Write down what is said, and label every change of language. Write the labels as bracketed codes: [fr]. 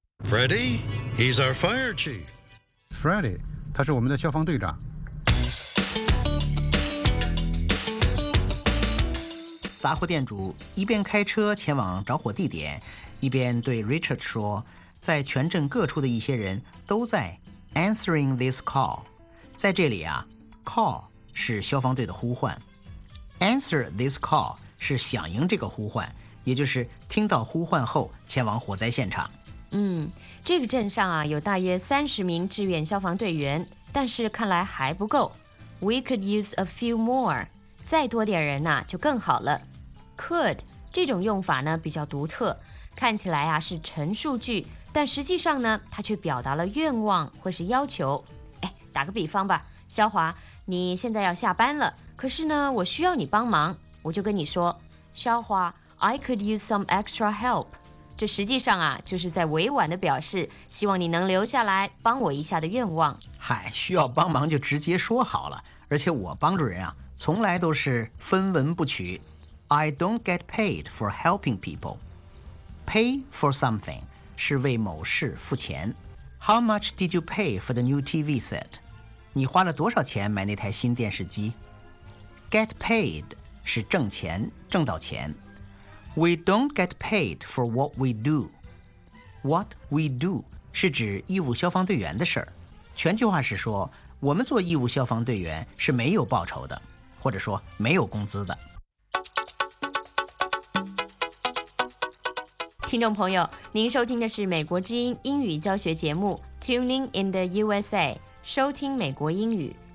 [en] Freddy, he's our fire chief. [zh] Freddy. 他是我们的消防队长。杂货店主一边开车前往着火地点，一边对 Richard 说，在全镇各处的一些人都在 [en] answering this call。 [zh] 在这里啊， call 是消防队的呼唤， [en] answer this call [zh] 是响应这个呼唤，也就是听到呼唤后前往火灾现场。嗯，这个镇上啊有大约30名志愿消防队员，但是看来还不够。 [en] We could use a few more， [zh] 再多点人呢、啊、就更好了。 Could 这种用法呢比较独特，看起来啊是陈述句，但实际上呢它却表达了愿望或是要求。哎，打个比方吧，萧华你现在要下班了，可是呢我需要你帮忙，我就跟你说，萧华 [en] I could use some extra help。 [zh] 这实际上啊就是在委婉的表示希望你能留下来帮我一下的愿望。嗨，需要帮忙就直接说好了，而且我帮助人啊从来都是分文不取。 [en] I don't get paid for helping people. Pay for something [zh] 是为某事付钱。 [en] How much did you pay for the new TV set? [zh] 你花了多少钱买那台新电视机？ [en] Get paid [zh] 是挣钱，挣到钱。 [en] We don't get paid for what we do. What we do [zh] 是指义务消防队员的事儿。全句话是说，我们做义务消防队员是没有报酬的，或者说没有工资的。听众朋友，您收听的是美国之音英语教学节目 Tuning in the USA， 收听美国英语。